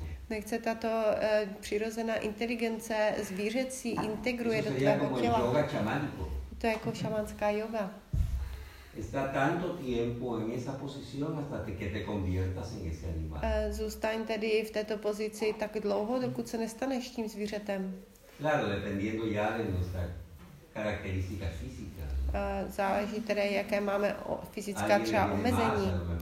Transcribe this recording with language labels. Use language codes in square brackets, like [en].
[cs] Nechce tato přirozená inteligence zvířecí integruje do tvého těla. To je jako šamanská yoga. [es] Está tanto tiempo en esa posición hasta que te conviertas en ese animal. [cs] Zůstaň tedy v této pozici tak dlouho, dokud se nestaneš tím zvířetem. [es] Claro, dependiendo ya de nuestra característica física. [cs] Záleží tedy, jaké máme fyzická třeba omezení.